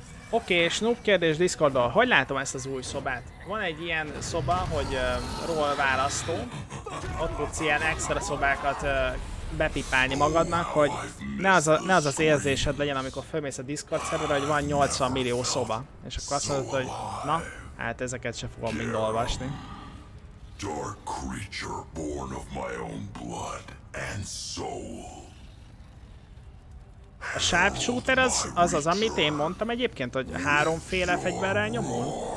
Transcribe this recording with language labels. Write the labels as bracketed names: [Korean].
[Hungarian] Oké, Snoop kérdés Discordon. Hogy látom ezt az új szobát? Van egy ilyen szoba, hogy roll választó. Ott tudsz ilyen extra szobákat bepipálni magadnak, hogy ne az érzésed legyen, amikor fölmész a Discord szerverre, hogy van 80 millió szoba. És akkor azt mondod, hogy na, hát ezeket se fogom mind olvasni. [English] Dark creature born of my own blood and soul. [Hungarian] A sharpshooter az, amit én mondtam egyébként, hogy háromféle fegyverrel nyomul.